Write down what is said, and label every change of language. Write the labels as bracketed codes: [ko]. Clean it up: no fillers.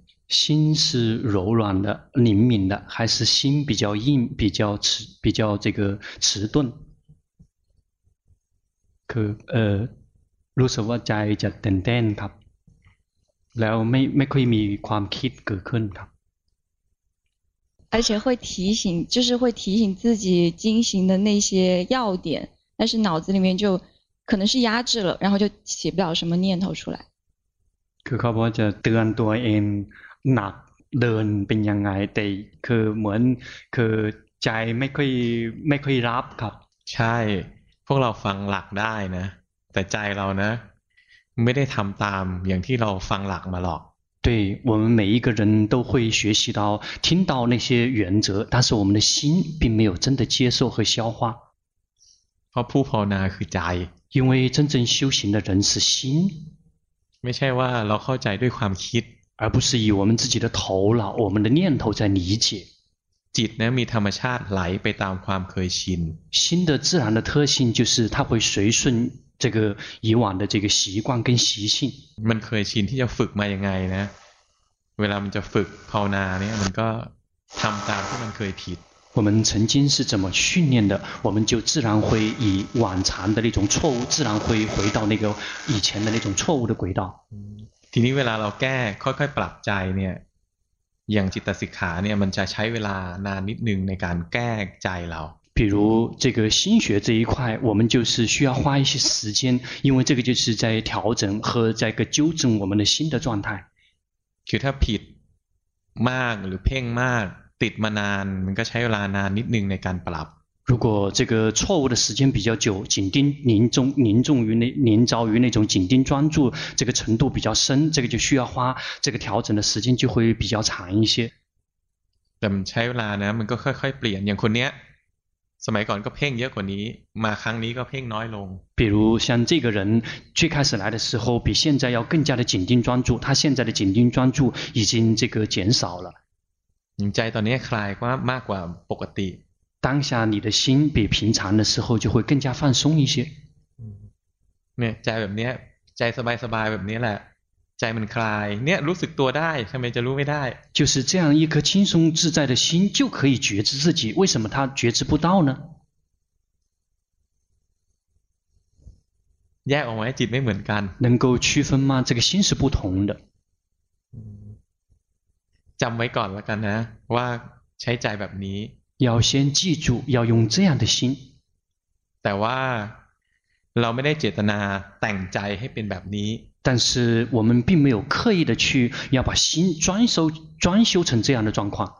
[zh] 心是柔软的灵敏的还是心比较硬比较这个迟钝 [th] คือรู้สึกว่าใจจะเต้นๆครับแล้วไม่ค่อยมีความคิดเกิดขึ้นครับ [zh] 而且会提醒就是会提醒自己精行的那些要点但是脑子里面就可能是压制了然后就起不了什么念头出来 [th] คือเขาบอกจะเตือนตัวเองหนักเดินเป็นยังไงแต่คือเหมือนคือใจไม่ค่อยรับครับ ใช่พวกเราฟังหลักได้นะแต่ใจเรานะไม่ได้ทำตามอย่างที่เราฟังหลักมาหรอก [zh] 对我们每一个人都会学习到听到那些原则但是我们的心并没有真的接受和消化 [th] เพราะผู้ภาวนาคือใจ [zh] 因为真正修行的人是心 [th] ไม่ใช่ว่าเราเข้าใจด้วยความคิด [zh] 而不是以我们自己的头脑我们的念头在理解 [th] จิตนะมีธรรมชาติไหลไปตามความเคยชิน [zh] 心的自然的特性就是它会随顺这个以往的这个习惯跟习性 [th] มันเคยชินที่จะฝึกมายังไงนะเวลามันจะฝึกภาวนาเนี่ยมันก็ทำตามที่มันเคยผิด [zh] 我们曾经是怎么训练的我们就自然会以往常的那种错误自然会回到那个以前的那种错误的轨道 [th] ทีนี้เวลาเราแก้ค่อยๆปรับใจเนี่ยอย่างจิตสิกขาเนี่ยมันจะใช้เวลานานนิดนึงในการแก้ใจเรา [zh] 比如这个心学这一块我们就是需要花一些时间因为这个就是在调整和在个纠正我们的心的状态 [th] คือถ้าผิดมากหรือเพ่งมากติดมานานมันก็ใช้เวลานานนิดนึงในการปรับ [zh] 如果这个错误的时间比较久紧盯凝着于那种紧盯专注这个程度比较深这个就需要花这个调整的时间就会比较长一些 [th] แต่มันใช้เวลานะมันก็ค่อยๆเปลี่ยนอย่างคนเนี้ยสมัยก่อนก็เพ่งเยอะกว่านี้มาครั้งนี้ก็เพ่งน้อยลง [zh] 比如像这个人最开始来的时候比现在要更加的紧盯专注他现在的紧盯专注已经这个减少了 [th] ใจตอนนี้คลายกว่ามากกว่าปกติ [zh] 当下你的心比平常的时候就会更加放松一些 [th] เนี่ยใจแบบนี้ใจสบายสบายแบบนี้แหละใจมันคลายเนี่ยรู้สึกตัวได้ทำไมจะรู้ไม่ได้ [zh] 就是这样一颗轻松自在的心就可以觉知自己为什么他觉知不到呢 [th] แยกออกไหมจิตไม่เหมือนกัน [zh] 能够区分吗这个心是不同的 [th] จำไว้ก่อนแล้วกันนะว่าใช้ใจแบบนี้ [zh] 要先记住要用这样的心 [th] แต่ว่าเราไม่ได้เจตนาแต่งใจให้เป็นแบบนี้ [zh] 但是我们并没有刻意的去要把心装修成这样的状况